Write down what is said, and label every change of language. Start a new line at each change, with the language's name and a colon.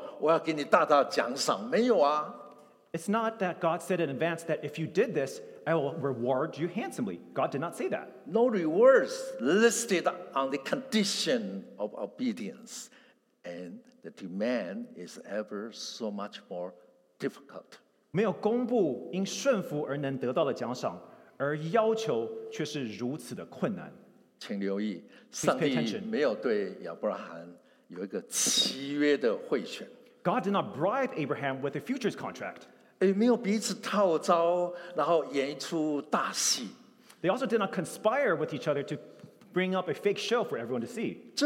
Chinese: 那是上帝没有预先说好，哎，你这样做的时候，我要给你大大奖赏，没有啊。
English: It's not that God said in advance that if you did this, I will reward you handsomely. God did not say that. No rewards listed on the condition of obedience. And the demand is ever so much more difficult.
Chinese: 没有公布因顺服而能得到的奖赏，而要求却是如此的困难。请留意，上帝没有对亚伯拉罕有一个契约的会选。
English: God did not bribe Abraham with a futures contract.
Chinese: 也没有彼此套招，然后演一出大戏。
English: They also did not conspire with each other to bring up a fake show for everyone to see.